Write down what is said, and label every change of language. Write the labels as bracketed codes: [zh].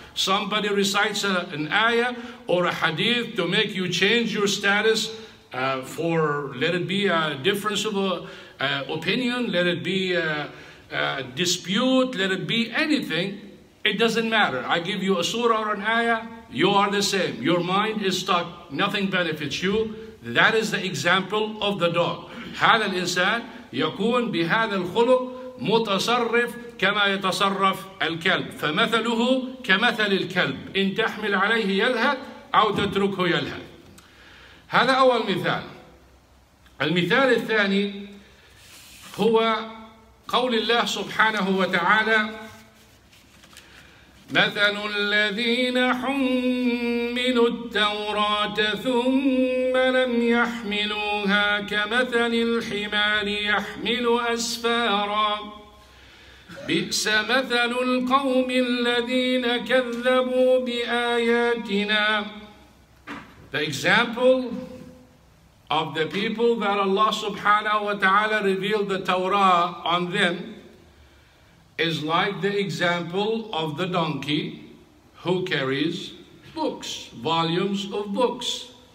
[en] Somebody recites an ayah or a hadith to make you change your status for, let it be a difference of opinion, let it be a dispute, let it be anything. It doesn't matter. I give you a surah or an ayah, you are the same. Your mind is stuck. Nothing benefits you. That is the example of the dog. [ar] هذا الإنسان يكون بهذا الخلق متصرف كما يتصرف الكلب. فمثله كمثل الكلب. إن تحمل عليه يلهث أو تتركه يلهث. هذا أول مثال. المثال الثاني هو قول الله سبحانه وتعالى مثل الذين حملوا التوراة ثم لم يحملوها كمثل الحمار يحمل أسفارا بئس مثل القوم الذين كذبوا بآياتنا. [en] The example of the people that Allah subhanahu wa ta'ala revealed the Torah on them is like the example of the donkey who carries books, volumes of books.